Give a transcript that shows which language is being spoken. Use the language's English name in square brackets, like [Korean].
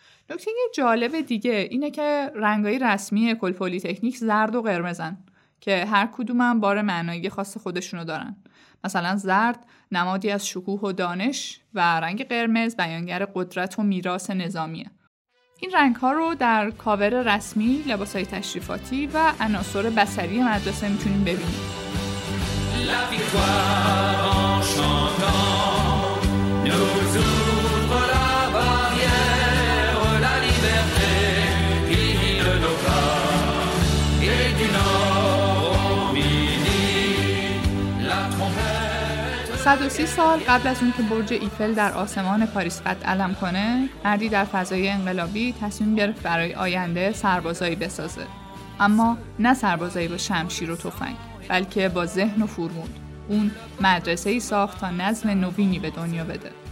[Persian] نکته جالب دیگه اینه که رنگای رسمی اکول پلی‌تکنیک زرد و قرمزن که هر کدومم بار معنایی خاص خودشونو دارن. مثلا زرد نمادی از شکوه و دانش و رنگ قرمز بیانگر قدرت و میراث نظامیه. این رنگ‌ها رو در کاور رسمی، لباس‌های تشریفاتی و عناصر بصری مدرسه می‌تونیم ببینیم. [French] La victoire en chantant nous ouvre la barrière, la liberté guide nos pas, et du nord au midi, la trompette. [Persian] 130 سال قبل از اون که برج ایفل در آسمان پاریس قد علم کنه، مردی در فضای انقلابی تصمیم گرفت برای آینده سربازایی بسازه. اما نه سربازایی با شمشیر و تفنگ، بلکه با ذهن و فرمول. اون مدرسه‌ای ساخت تا نظم نوینی به دنیا بده.